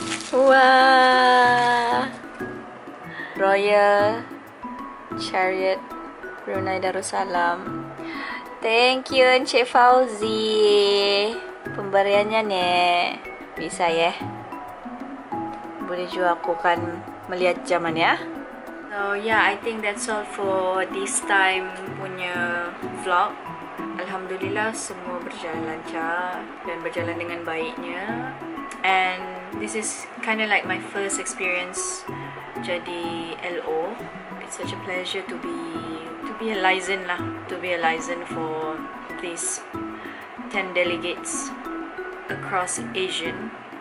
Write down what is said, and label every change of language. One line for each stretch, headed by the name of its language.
Malay: Wah. Royal Chariot Brunei Darussalam.
English: Thank you Encik Fauzi.
Malay: Pemberiannya ni bisa ya. Boleh juga aku kan melihat zaman ya.
English: So yeah, I think that's all for this time punya vlog.
Malay: Alhamdulillah semua berjalan lancar dan berjalan dengan baiknya.
English: And this is kind of like my first experience
Malay: jadi LO.
English: It's such a pleasure to be a liaison lah, to be a liaison for these 10 delegates across Asian.